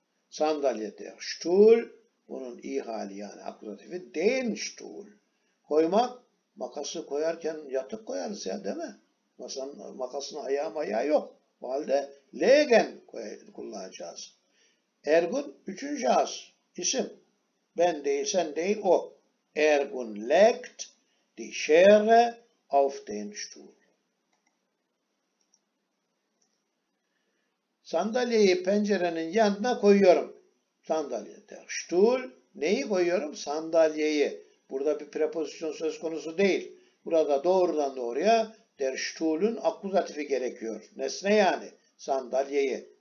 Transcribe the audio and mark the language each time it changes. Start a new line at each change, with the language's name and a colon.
Turkish: Sandalye der Stuhl. Bunun i hali yani akkuzatifi den Stuhl. Koymak, makası koyarken yatık koyarız ya değil mi? Masanın, makasın ayağı mayağı yok. O halde legen kullanacağız. Ergun üçüncü şahıs isim. Ben değil, sen değil, o.
German: Ergun legt die Schere auf den Stuhl.
Turkish: Sandalyeyi pencerenin yanına koyuyorum. Sandalye der Stuhl. Neyi koyuyorum? Sandalyeyi. Burada bir prepozisyon söz konusu değil. Burada doğrudan doğruya der Stuhl'un akkuzatifi gerekiyor. Nesne yani. Sandalyeyi.